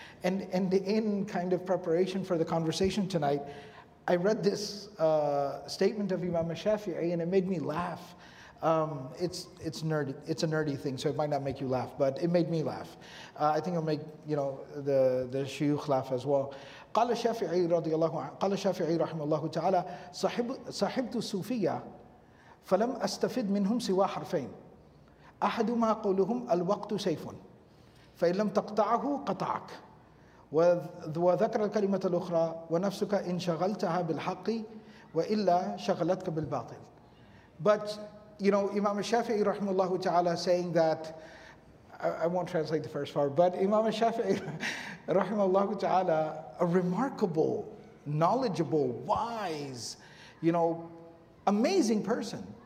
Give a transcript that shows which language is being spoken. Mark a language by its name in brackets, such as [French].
[English] And in kind of preparation for the conversation tonight, I read this statement of Imam Shafi'i, and it made me laugh. It's nerdy. It's a nerdy thing, so it might not make you laugh, but it made me laugh. I think it'll make, you know, the shuyukh laugh as well. [Arabic] قال الشافعي رضي الله عنه قال الشافعي رحمه الله تعالى صحبت الصوفية فلم أستفد منهم سوى حرفين أحدهما قولهم الوقت سيف فإن لم تقطعه قطعك وذكر الكلمة الأخرى ونفسك إن شغلتها بالحق وإلا شغلتك بالباطل. [English] But you know, Imam الشافعي [Arabic] رحمه الله تعالى [English] saying that I won't translate the first part, but Imam الشافعي رحمه الله تعالى, a remarkable, knowledgeable, wise, you know, amazing person.